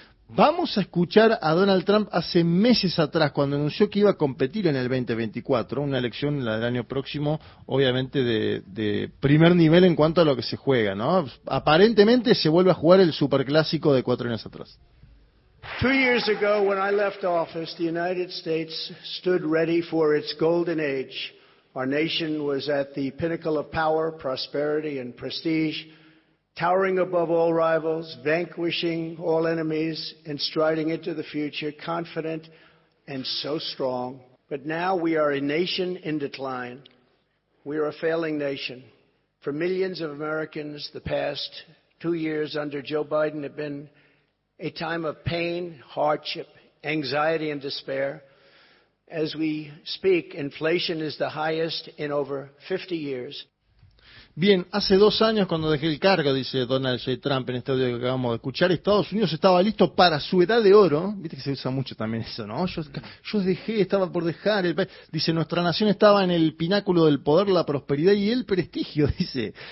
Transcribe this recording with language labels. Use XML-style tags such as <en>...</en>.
<es>Vamos a escuchar a Donald Trump hace meses atrás, cuando anunció que iba a competir en el 2024, una elección la del año próximo, obviamente de primer nivel en cuanto a lo que se juega, ¿no? Aparentemente se vuelve a jugar el superclásico de cuatro años atrás.</es> <en>2 years ago, when I left office, the United States stood ready for its golden age. Our nation was at the pinnacle of power, prosperity and prestige. Towering above all rivals, vanquishing all enemies, and striding into the future, confident and so strong. But now we are a nation in decline. We are a failing nation. For millions of Americans, the past 2 years under Joe Biden have been a time of pain, hardship, anxiety, and despair. As we speak, inflation is the highest in over 50 years.</en> <es>Bien, hace 2 años cuando dejé el cargo, dice Donald J. Trump en este audio que acabamos de escuchar, Estados Unidos estaba listo para su edad de oro. Viste que se usa mucho también eso, ¿no? Yo dejé, estaba por dejar el país. Dice, nuestra nación estaba en el pináculo del poder, la prosperidad y el prestigio, dice.</es>